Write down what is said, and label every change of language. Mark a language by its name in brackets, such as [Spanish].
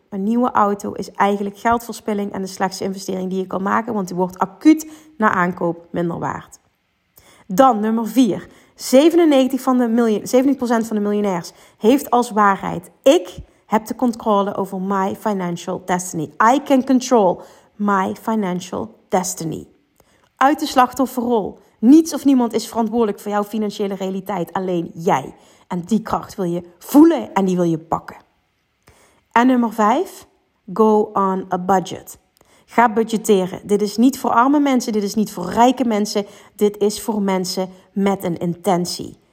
[Dutch] Een nieuwe auto is eigenlijk geldverspilling en de slechtste investering die je kan maken, want die wordt acuut na aankoop minder waard. Dan nummer 4. 97% van de miljonairs heeft als waarheid: ik heb de controle over [English] my financial destiny. I can control my financial destiny. [Dutch] Uit de slachtofferrol. Niets of niemand is verantwoordelijk voor jouw financiële realiteit, alleen jij. En die kracht wil je voelen en die wil je pakken. En nummer 5, [English] go on a budget. [Dutch] Ga budgetteren. Dit is niet voor arme mensen, dit is niet voor rijke mensen. Dit is voor mensen met een intentie.